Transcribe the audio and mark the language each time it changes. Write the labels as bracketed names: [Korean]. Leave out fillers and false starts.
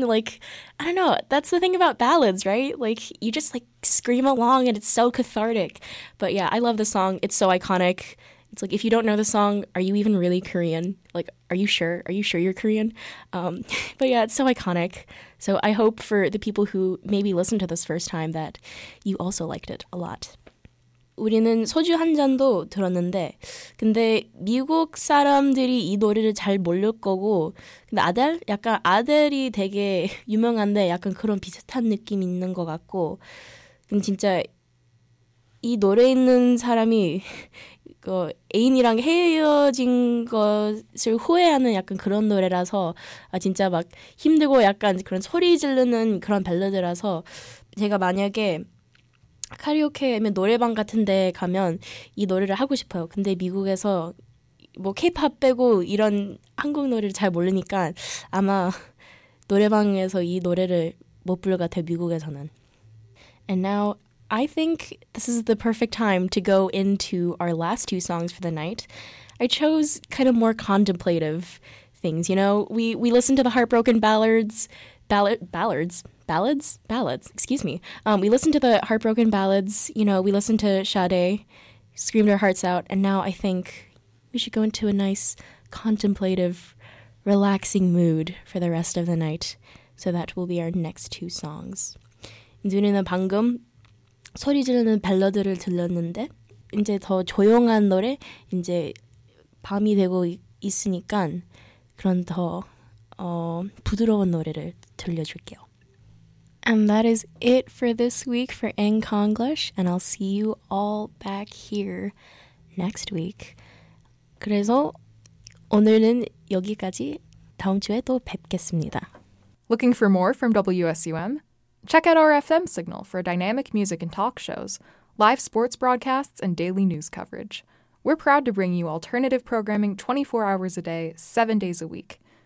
[English] Like, I don't know. That's the thing about ballads, right? Like, you just, like, scream along, and it's so cathartic. But yeah, I love the song. It's so iconic. It's like, if you don't know the song, are you even really Korean? Like, are you sure? Are you sure you're Korean? But yeah, it's so iconic. So I hope for the people who maybe listened to this first time that you also liked it a lot. [Korean] 우리는 소주 한 잔도 들었는데 근데 미국 사람들이 이 노래를 잘 모를 거고 근데 아델? 약간 아델이 되게 유명한데 약간 그런 비슷한 느낌이 있는 것 같고 근데 진짜 이 노래 있는 사람이 그 애인이랑 헤어진 것을 후회하는 약간 그런 노래라서 아 진짜 막 힘들고 약간 그런 소리 지르는 그런 발라드라서 제가 만약에 카리오케 아니면 노래방 같은 데 가면 이 노래를 하고 싶어요. 근데 미국에서 뭐 케이팝 빼고 이런 한국 노래를 잘 모르니까 아마 노래방에서 이 노래를 못 부를 것 같아요, 미국에서는. [English] And now I think this is the perfect time to go into our last two songs for the night. I chose kind of more contemplative things, you know? We listen to the heartbroken ballads, excuse me. We listened to the heartbroken ballads, you know, we listened to Sade, screamed our hearts out, and now I think we should go into a nice, contemplative, relaxing mood for the rest of the night. So that will be our next two songs. [Korean] 저는 방금 소리 지르는 발라드를 들렸는데, 이제 더 조용한 노래, 이제 밤이 되고 있으니까 그런 더 부드러운 노래를 들려줄게요. [English] And that is it for this week for In Konglish, and I'll see you all back here next week. [Korean] 그래서 오늘은 여기까지 다음 주에 또 뵙겠습니다. [English] Looking for more from WSUM? Check out our FM signal for dynamic music and talk shows, live sports broadcasts, and daily news coverage. We're proud to bring you alternative programming 24 hours a day, 7 days a week.